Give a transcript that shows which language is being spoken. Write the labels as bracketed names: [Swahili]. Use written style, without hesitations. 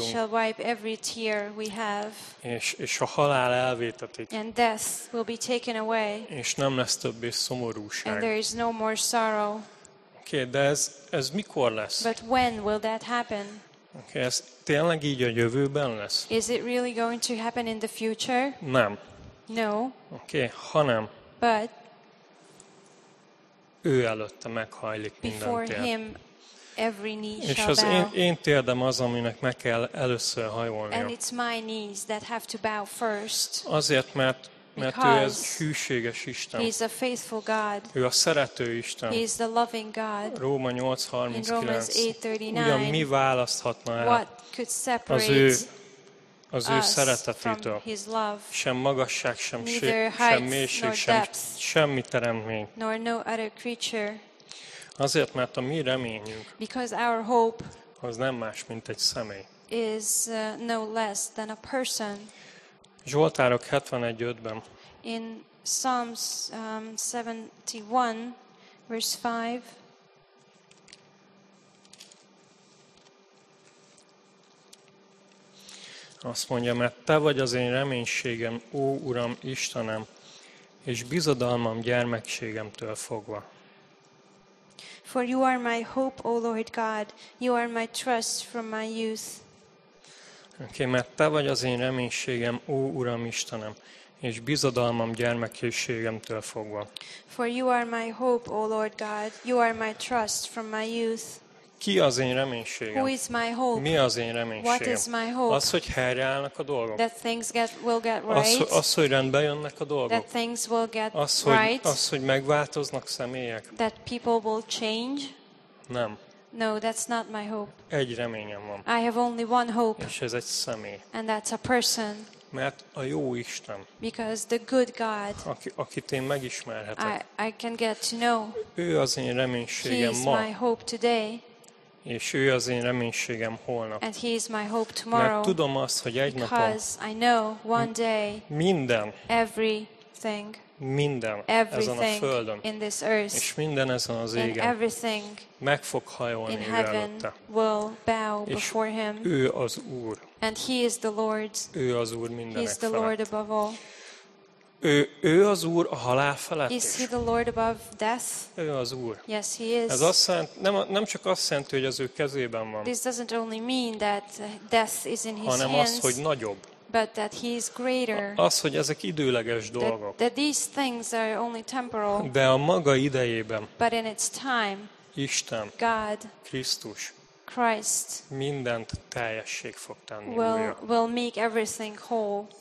[English] He shall wipe every tear we have. [Hungarian] És a halál elvétetik. [English] And death will be taken away. [Hungarian] És nem lesz többé szomorúság. [English] And there is no more sorrow. [Hungarian] Oké, de ez mikor lesz? [English] But when will that happen? [Hungarian] Oké, ez tényleg így a jövőben lesz? [English] Is it really going to happen in the future? [Hungarian] Nem. [English] No. [Hungarian] Oké, hanem. [English] But. [Hungarian] Ő előtte meghajlik minden tér. [English] Before him, every knee shall bow. [Hungarian] És az én térdem az, aminek meg kell először hajolnia. [English] And it's my knees that have to bow first. [Hungarian] Azért, mert ő egy hűséges Isten. [English] He's a faithful God. [Hungarian] Ő a szerető Isten. [English] He's the loving God. [Hungarian] Róma 8:39. [English] In Romans 8:39. [Hungarian] Ugyan mi választhatna el? [English] What could separate? [Hungarian] Az ő szeretetétől. [English] His love. [Hungarian] Sem magasság, sem mélység, semmi teremtmény. [English] Nor no other creature. [Hungarian] Azért, mert a mi reményünk. [English] Because our hope. [Hungarian] Az nem más, mint egy személy. [English] Is no less than a person. [Hungarian] Zsoltárok 71:5-ben. [English] In Psalms 71, verse 5. [Hungarian] Azt mondja, mert te vagy az én reménységem, ó Uram, Istenem, és bizodalmam gyermekségemtől fogva. [English] For you are my hope, O Lord God, you are my trust from my youth. [Hungarian] Okay, mert te vagy az én reménységem, ó Uram, Istenem, és bizodalmam gyermekségemtől fogva. [English] For you are my hope, O Lord God, you are my trust from my youth. [Hungarian] Ki az én reménységem? [English] Who is my hope? [Hungarian] Mi az én reménységem? [English] What is my hope? [Hungarian] Az, hogy helyreállnak a dolgok. [English] That things will get right. [Hungarian] Az, hogy rendbe jönnek a dolgok. [English] That things will get right. [Hungarian] Az, hogy megváltoznak személyek. [English] That people will change. [Hungarian] Nem. [English] No, that's not my hope. [Hungarian] Egy reményem van. [English] I have only one hope. [Hungarian] És ez egy személy. [English] And that's a person. [Hungarian] Mert a jó Isten. [English] Because the good God. [Hungarian] Akit én megismerhetek. [English] I can get to know. [Hungarian] Ő az én reménységem ma. [English] He is my hope today. [Hungarian] És ő az én reménységem holnap. [English] And he is my hope tomorrow. [Hungarian] Mert tudom azt, hogy egy [English] because [Hungarian] napon [English] I know one day, [Hungarian] minden, [English] everything, [Hungarian] minden [English] everything [Hungarian] ezen a földön [English] in this earth, [Hungarian] és minden ezen az égen [English] everything [Hungarian] meg fog hajolni [English] in heaven will bow before him. [Hungarian] Ő az Úr. [English] And he is the Lord. [Hungarian] Ő az Úr mindenek felett. [English] He is the Lord above all. [Hungarian] Ő az Úr a halál felett is. [English] Is he the Lord above death? [Hungarian] Ő az Úr. [English] Yes, he is. [Hungarian] Ez azt jelenti, nem csak azt jelenti, hogy az ő kezében van. [English] This doesn't only mean that death is in his hands. [Hungarian] Hanem az, hogy nagyobb. [English] But that he is greater. [Hungarian] Az, hogy ezek időleges dolgok. [English] That these things are only temporal. [Hungarian] De a maga idejében. [English] But in its time. [Hungarian] Isten. [English] God. [Hungarian] Krisztus. [English] Christ. [Hungarian] Mindent teljesség fog tenni. [English] Will make everything whole.